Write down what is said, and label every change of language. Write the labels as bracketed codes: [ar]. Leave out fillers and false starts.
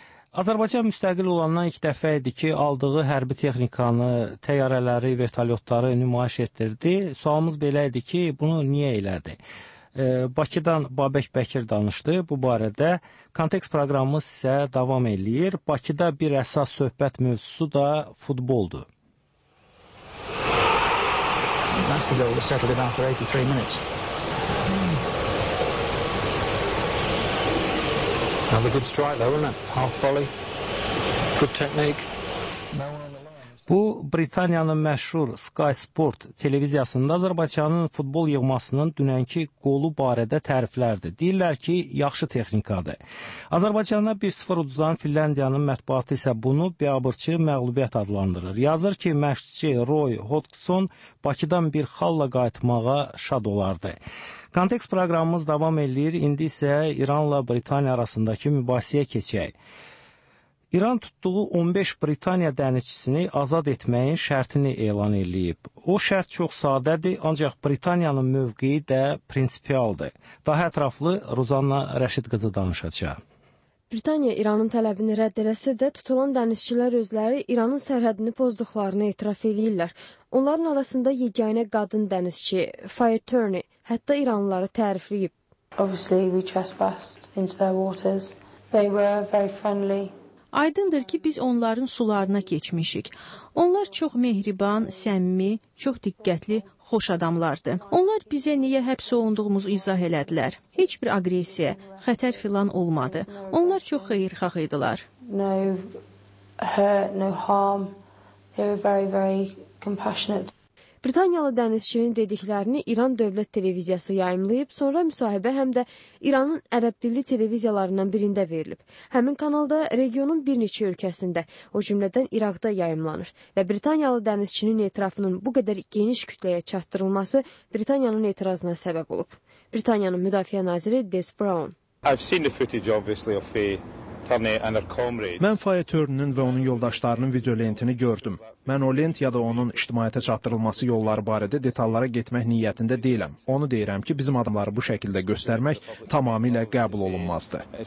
[az] Azərbaycan müstəqil olandan ilk dəfə idi ki, aldığı hərbi texnikanı, təyyarələri, vertolyotları nümayiş etdirdi. Sualımız belə idi ki, bunu niyə elədi? Bakıdan Babək Bəkir danışdı bu barədə. Kontekst proqramımız isə davam eləyir. Bakıda bir əsas söhbət mövzusu da futboldur. [en] That's the goal that settled in after 83 minutes. Another good strike though, isn't it? Half volley. Good technique. [az] Bu, Britaniyanın məşhur Sky Sport televiziyasında Azərbaycanın futbol yığmasının dünənki qolu barədə təriflərdir. Deyirlər ki, yaxşı texnikadır. Azərbaycana 1-0 uduzan Finlandiyanın mətbuatı isə bunu biabırçı məğlubiyyət adlandırır. Yazır ki, məşqçi Roy Hodgson Bakıdan bir xalla qayıtmağa şad olardı. Kontekst proqramımız davam edir, indi isə İranla Britaniya arasındakı mübahisəyə keçək. İran tutduğu 15 Britaniya dənizçisini azad etməyin şərtini elan edib. O şərt çox sadədir, ancaq Britaniyanın mövqeyi də prinsipialdır. Daha ətraflı Ruzanna Rəşid qızı danışacaq. Britaniya İranın tələbini rədd eləsə də tutulan dənizçilər özləri İranın sərhədini pozduqlarını etiraf edirlər. Onların arasında yeganə qadın dənizçi, Fire Turney, hətta İranlıları tərifləyib. [en] Obviously we trespassed into their waters. They were very friendly. [az] Aydındır ki, biz onların sularına keçmişik. Onlar çox mehriban, səmimi, çox diqqətli, xoş adamlardı. Onlar bizə niyə həbs olunduğumuzu izah elədilər. Heç bir aqressiya, xətər filan olmadı. Onlar çox xeyirxah idilər. [en] No hurt, no harm. They were very, very compassionate. [az] Britaniyalı dənizçinin dediklərini İran dövlət televiziyası yayımlayıb, sonra müsahibə həm də İranın ərəb dilli televiziyalarından birində verilib. Həmin kanalda regionun bir neçə ölkəsində, o cümlədən İraqda yayımlanır və Britaniyalı dənizçinin etirafının bu qədər geniş kütləyə çatdırılması Britaniyanın etirazına səbəb olub. Britaniyanın müdafiə naziri Des Brown. [en] I've seen the footage obviously of a [az] Mən Faye Törnünün və onun yoldaşlarının video lentini gördüm. Mən o lent ya da onun ictimaiyyətə çatdırılması yolları barədə detallara getmək niyyətində deyiləm. Onu deyirəm ki, bizim adamları bu şəkildə göstərmək tamamilə qəbul olunmazdı.